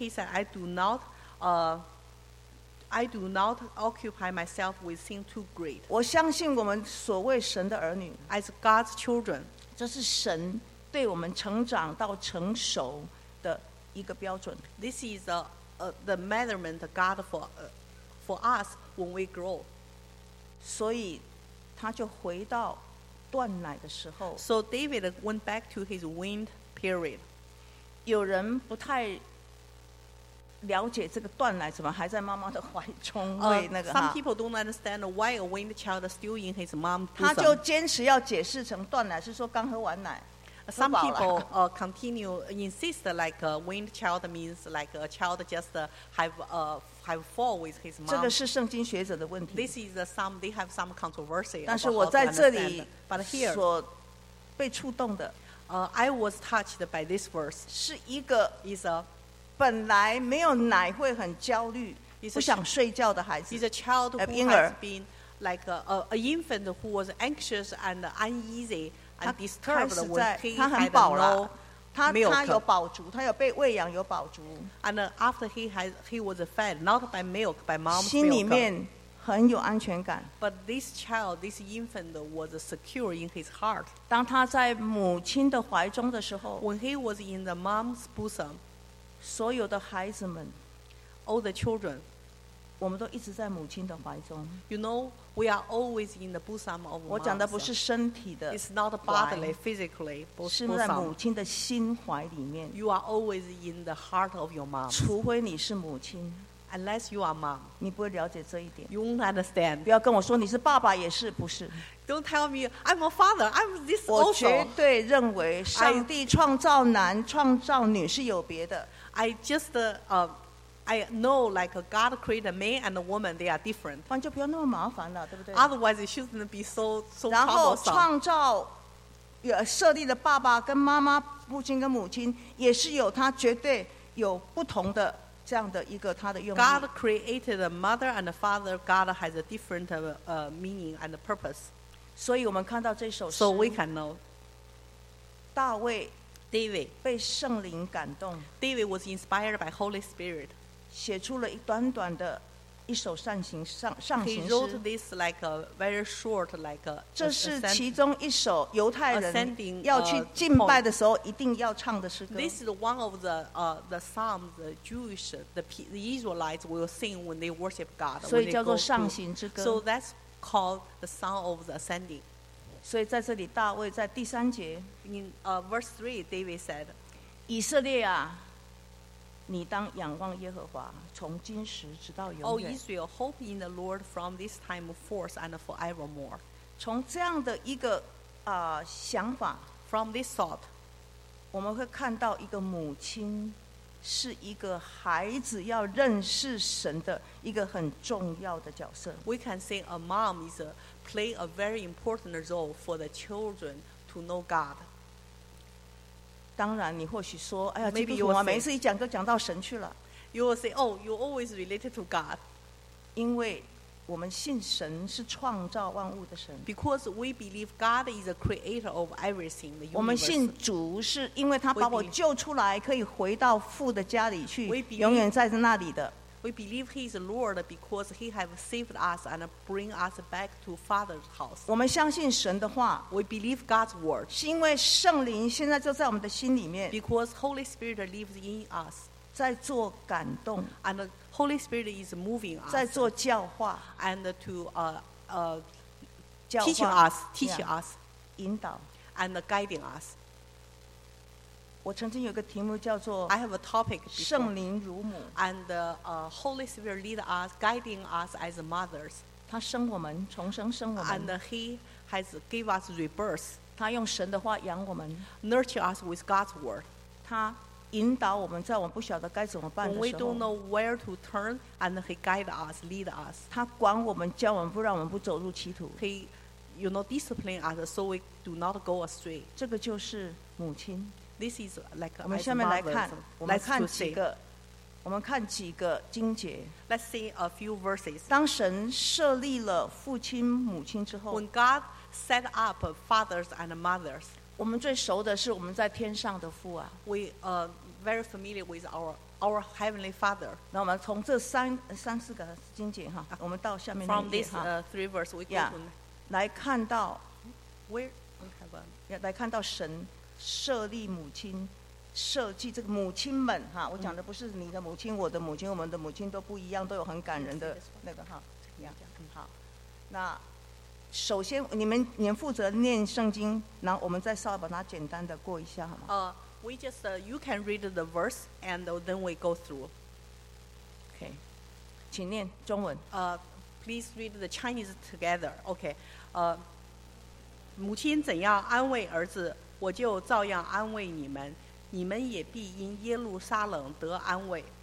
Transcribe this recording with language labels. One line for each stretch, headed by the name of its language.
English: He said, I do not occupy myself with things too great.
Chinese: 我相信我们所谓神的儿女
English: ，as God's children，
Chinese: 这是神对我们成长到成熟的一个标准。
English: This is the measurement God for us when we grow.
Chinese: 所以他就回到断奶的时候。
English: So David went back to his weaned period.
Chinese: 有人不太了解这个断奶怎么还在妈妈的怀中喂那个。
English: Some people don't understand why a weaned child is still in his mom's bosom.
Chinese: 他就坚持要解释成断奶是说刚喝完奶。
English: Some people continue insist like a weaned child means like a child just have fall with his mom.
Chinese: 这个是圣经学者的问题。
English: This is some they have some controversy.
Chinese: 但是我在这里所被触动的。
English: I was touched by this verse.
Chinese: 是一个
English: is a
Chinese: 本来没有奶会很焦虑，不想睡觉的孩子。
English: Is a child who has been like a infant who was anxious and uneasy and disturbed when he had no milk.
Chinese: 他有饱足，他有被喂养，有饱足。
English: And after he was fed, not by milk, by mom's milk.
Chinese: 心里面很有安全感。
English: But this child, this infant was secure in his heart.
Chinese: 当他在母亲的怀中的时候
English: When he was in the mom's bosom,
Chinese: 所有的孩子们
English: All the children,
Chinese: 我们都一直在母亲的怀中。
English: You know, we are always in the bosom of mom.
Chinese: 我讲的不是身体的
English: It's not bodily, physically, bosom.
Chinese: 是在母亲的心怀里面。
English: You are always in the heart of your mom.
Chinese: 除非你是母亲。
English: Unless you are mom,
Chinese: 你不会了解这一点。
English: You won't understand.
Chinese: 不要跟我说你是爸爸也是不是。
English: Don't tell me I'm a father. I'm this also.
Chinese: 我绝对认为上帝创造男创造女是有别的。
English: I know like God created a man and a woman, they are different.
Chinese: 不然就不要那么麻烦了，对不对
English: ？Otherwise, it shouldn't be so troublesome.
Chinese: 然后创造有设立的爸爸跟妈妈、父亲跟母亲也是有他绝对有不同的。这样的一个他的用意。
English: God created a mother and a father. God has a different meaning and a purpose.
Chinese: 所以我们看到这首诗。
English: So we can know.
Chinese: 大卫
English: David
Chinese: 被圣灵感动。
English: David was inspired by Holy Spirit.
Chinese: 写出了一短短的一手善行上上行诗。
English: He wrote this like a very short like a.
Chinese: 这是其中一首犹太人要去敬拜的时候一定要唱的诗歌。
English: This is one of the psalms the Jewish the Israelites will sing when they worship God.
Chinese: 所以叫做上行之歌。
English: So that's called the song of the ascending.
Chinese: 所以在这里大卫在第三节。
English: In verse three, David said,
Chinese: 以色列啊。你当仰望耶和华，从今时直到永远。
English: Oh, Israel, hope in the Lord from this time forth and forevermore.
Chinese: 从这样的一个想法
English: ，from this thought，
Chinese: 我们会看到一个母亲是一个孩子要认识神的一个很重要的角色。
English: We can say a mom is playing a very important role for the children to know God.
Chinese: 当然，你或许说：“哎呀，基督徒啊，每一次一讲都讲到神去了。”
English: You will say, "Oh, you always related to God."
Chinese: 因为我们信神是创造万物的神。
English: Because we believe God is the creator of everything.
Chinese: 我们信主是因为他把我救出来，可以回到父的家里去，永远在那里的。
English: We believe He is Lord because He has saved us and bring us back to Father's house.
Chinese: 我们相信神的话。
English: We believe God's word.
Chinese: 是因为圣灵现在就在我们的心里面。
English: Because Holy Spirit lives in us.
Chinese: 在做感动。
English: And Holy Spirit is moving us.
Chinese: 在做教化。
English: And to teaching us,
Chinese: 引导。
English: And guiding us.
Chinese: 我曾经有一个题目叫做
English: I have a topic
Chinese: 圣灵如母
English: and the Holy Spirit lead us guiding us as mothers
Chinese: 他生我们重生生我们
English: and he has give us rebirth
Chinese: 他用神的话养我们
English: nurture us with God's word
Chinese: 他引导我们在我们不晓得该怎么办的时候
English: we don't know where to turn and he guide us lead us
Chinese: 他管我们教我们不让我们不走入歧途
English: he you know discipline us so we do not go astray
Chinese: 这个就是母亲
English: This is like
Chinese: 我们下面来看，我们看几个，我们看几个经节。
English: Let's see a few verses.
Chinese: 当神设立了父亲母亲之后
English: ，When God set up fathers and mothers，
Chinese: 我们最熟的是我们在天上的父啊。
English: We very familiar with our heavenly father.
Chinese: 那我们从这三四个经节哈，我们到下面那一页哈。
English: From this three verse, we go to
Chinese: 来看到
English: where we have
Chinese: 来看到神。设立母亲设计这个母亲们哈我讲的不是你的母亲我的母亲我们的母亲都不一样都有很感人的那个哈好那首先你们负责念圣经然后我们再稍微把它简单的过一下好吗
English: we just you can read the verse and then we go through
Chinese: OK 请念中文
English: please read the Chinese together OK
Chinese: 母亲怎样安慰儿子我就照样安慰你们，你们也必因耶路撒冷得安慰。